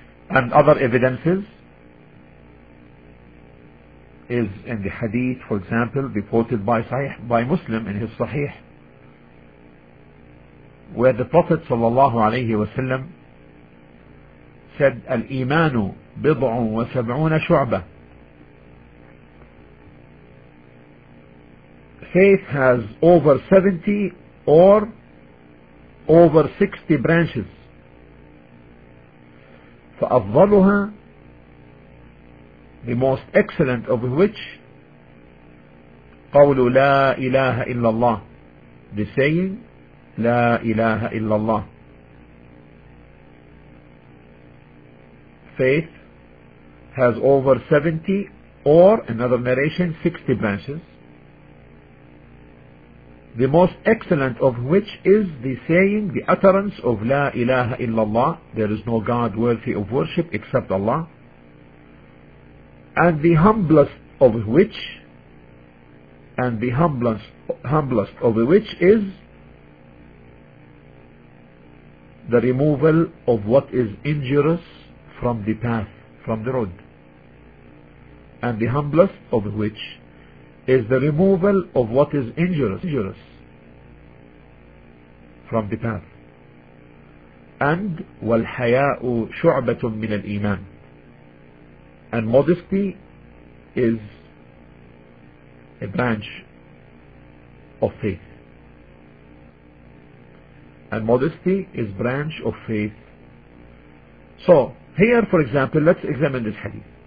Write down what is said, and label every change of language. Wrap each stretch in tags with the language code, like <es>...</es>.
<en>And other evidences is in the hadith, for example, reported by Sahih, by Muslim in his Sahih, where the Prophet sallallahu alayhi wa sallam said,</en> <ar>الإيمان بضع وسبعون شعبة.</ar> <en>Faith has over 70 or over 60 branches.</en> <ar>فأفضلها,</ar> <en>the most excellent of which,</en> <ar>قول لا إله إلا الله,</ar> <en>the saying</en> <ar>لا إله إلا الله.</ar> <en>Faith has over 70 or another narration 60 branches, the most excellent of which is the saying, the utterance of</en> <ar>لا إله إلا الله,</ar> <en>there is no God worthy of worship except Allah. And the humblest of which, and the humblest of which is the removal of what is injurious from the path, from the road. And the humblest of which is the removal of what is injurious from the path. And</en> <ar>وَالْحَيَاءُ شُعْبَةٌ مِّنَ الْإِيمَانِ.</ar> <en>And modesty is a branch of faith. And modesty is branch of faith. So, here for example, let's examine this hadith.</en>